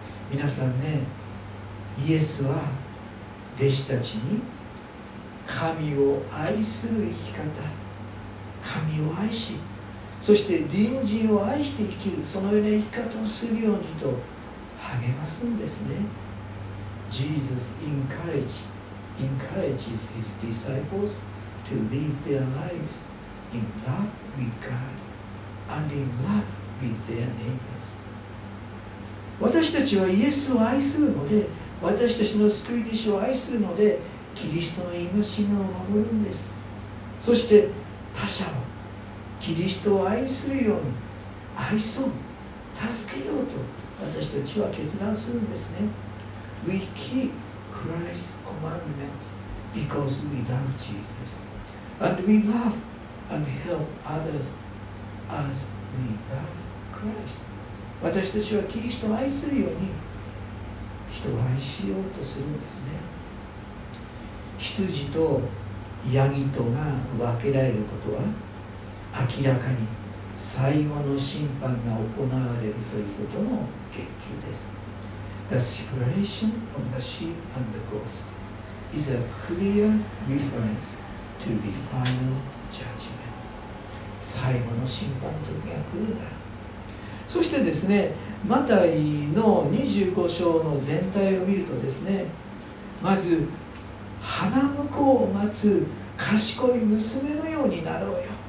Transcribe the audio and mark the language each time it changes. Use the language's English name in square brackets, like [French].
[Japanese] 皆さんね、イエスは弟子たちに神を愛する生き方、神を愛し、そして隣人を愛して生きる、そのような生き方をするようにと励ますんですね。 [English] Jesus encourages his disciples to live their lives in love with God and in love with their neighbors. [Japanese] 私たちはイエスを愛するので、私たちの救い主を愛するので、キリストの戒めを守るんです。そして他者をキリストを愛するように、愛そう、助けようと私たちは決断するんですね。 [English] We keep Christ's commandments because we love Jesus and we love and help others as we love Christ. [Japanese] 私たちはキリストを愛するように人を愛しようとするんですね。羊とヤギとが分けられることは明らかに最後の審判が行われるということの言及です。 [English] The separation of the sheep and the goats is a clear reference to the final judgment. [Japanese] 最後の審判の時が来るんだ。そしてですね、マタイの25章の全体を見るとですね、まず花婿を待つ賢い娘のようになろうよ。